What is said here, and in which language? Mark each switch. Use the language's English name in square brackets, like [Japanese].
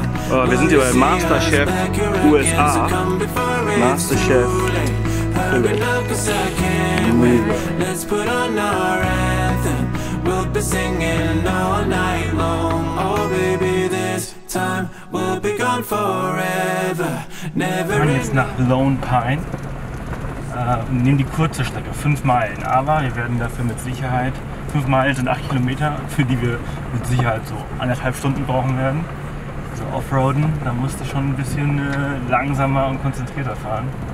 [German] Oh, wir sind hier bei Masterchef USA. Masterchef. [English] We'll be singing all night long. Oh baby, this time we'll be gone forever. Never. [German] Wir fahren jetzt nach Lone Pine. Nehmen die kurze Strecke, 5 Meilen. Aber wir werden dafür mit Sicherheit, 5 Meilen sind 8 Kilometer, für die wir mit Sicherheit so 1,5 Stunden brauchen werden. Also offroaden, da musst du schon ein bisschen langsamer und konzentrierter fahren.